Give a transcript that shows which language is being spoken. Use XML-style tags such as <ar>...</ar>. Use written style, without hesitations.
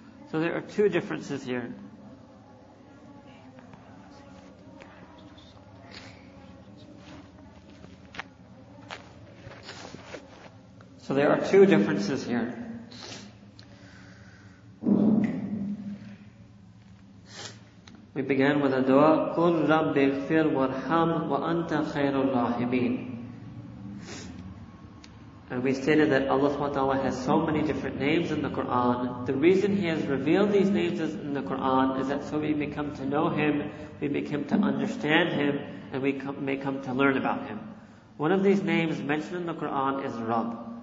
<en>So there are two differences here. So there are two differences here. We began with a dua,</en> <ar>قُلْ رَبِّ اغْفِرْ وَارْحَمْ وَأَنْتَ خَيْرُ الرَّاحِمِينَ.</ar> <en>And we stated that Allah subhanahu wa ta'ala has so many different names in the Qur'an. The reason He has revealed these names in the Qur'an is that so we may come to know Him, we may come to understand Him, and we may come to learn about Him. One of these names mentioned in the Qur'an is Rabb.</en>